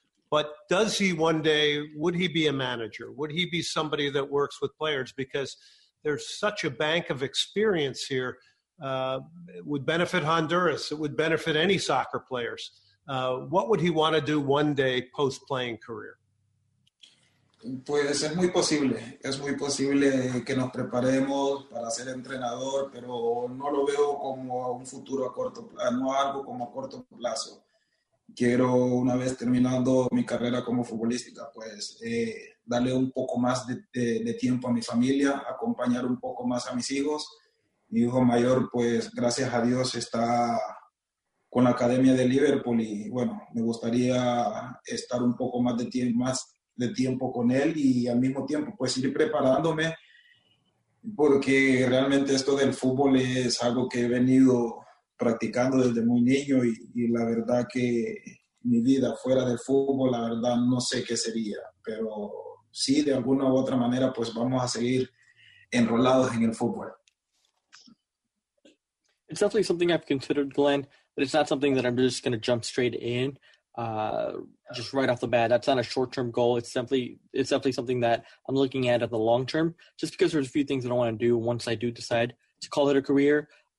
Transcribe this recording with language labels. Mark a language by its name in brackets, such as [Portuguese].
[English] But does he one day, would he be a manager? Would he be somebody that works with players? Because there's such a bank of experience here. It would benefit Honduras. It would benefit any soccer players. What would he want to do one day post-playing career? [Spanish] Pues es muy posible. Es muy posible que nos preparemos para ser entrenador, pero no lo veo como a un futuro a corto plazo, no algo como a corto plazo. Quiero, una vez terminando mi carrera como futbolística, pues darle un poco más de tiempo a mi familia, acompañar un poco más a mis hijos. Mi hijo mayor, pues gracias a Dios, está con la Academia de Liverpool y bueno, me gustaría estar un poco más de tiempo con él y al mismo tiempo pues ir preparándome, porque realmente esto del fútbol es algo que he venido practicando desde muy niño y la verdad que mi vida fuera del fútbol, la verdad no sé qué sería, pero sí, de alguna u otra manera pues vamos a seguir enrolados en el fútbol. [English] It's definitely something I've considered, Glenn, but it's not something that I'm just going to jump straight in just right off the bat. That's not a short-term goal. It's definitely something that I'm looking at the long term, just because there's a few things that I want to do once I do decide to call it a career.